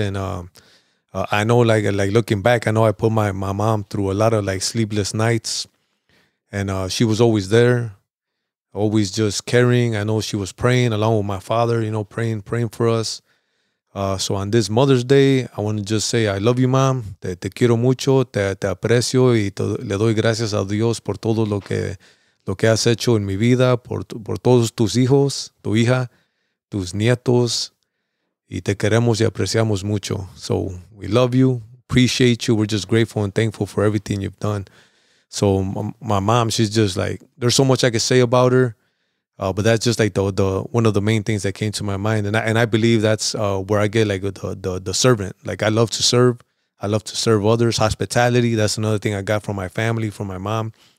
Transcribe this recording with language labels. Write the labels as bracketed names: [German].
[English] And I know, like looking back, I know I put my mom through a lot of, like, sleepless nights. And she was always there, always just caring. I know she was praying along with my father, you know, praying for us. So on this Mother's Day, I want to just say, I love you, mom. [Spanish] Te quiero mucho, te aprecio, y le doy gracias a Dios por todo lo que has hecho en mi vida, por todos tus hijos, tu hija, tus nietos, y te queremos y apreciamos mucho. [English] So we love you, appreciate you. We're just grateful and thankful for everything you've done. So my mom, she's just like, there's so much I can say about her, but that's just like the one of the main things that came to my mind. And I believe that's where I get, like, the servant. Like, I love to serve. I love to serve others. Hospitality, that's another thing I got from my family, from my mom.